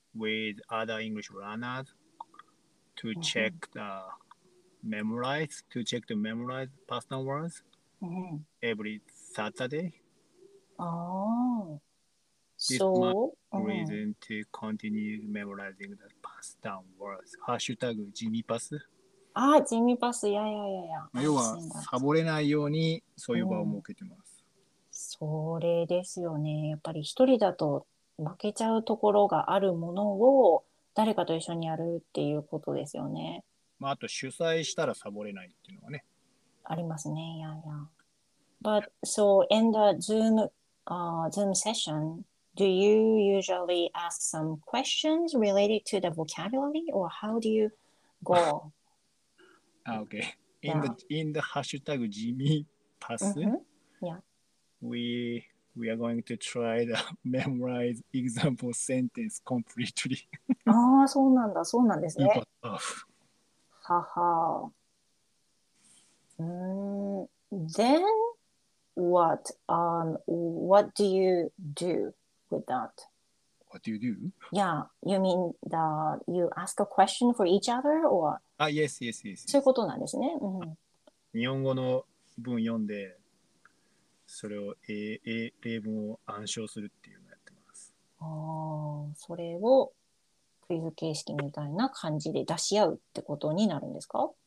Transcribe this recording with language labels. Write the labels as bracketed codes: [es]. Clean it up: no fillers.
[en] with other English learners to check the memorize, to check the memorize pasta words、うん、 every Saturday. Oh, this so my reason to continue memorizing the pasta words. Hashtag JimmyPass. [ja] あ、ジミパス、いやいやいやいや。要は、サボれないように、そういう場を設けてます、うん。それですよね。やっぱり一人だと負けちゃうところがあるものを、誰かと一緒にやるっていうことですよね。まあ、あと、主催したらサボれないっていうのはね。ありますね、いやいや。 [en] But, so, in the Zoom,、Zoom session, do you usually ask some questions related to the vocabulary, or how do you go? Ah, okay. In the hashtag JimmyPass,、we are going to try the memorize example sentence completely. Ah, [ja] そうなんだ、そうなんですね。 [en] Haha. Then what? What do you do with that? What do you do? Yeah, you mean the you ask a question for each other or? あ、yes, yes, yes. [ja] そういうことなんですね。うん、日本語の文読んで、それを例文を暗唱するっていうのをやってます。ああ、それをクイズ形式みたいな感じで出し合うってことになるんですか？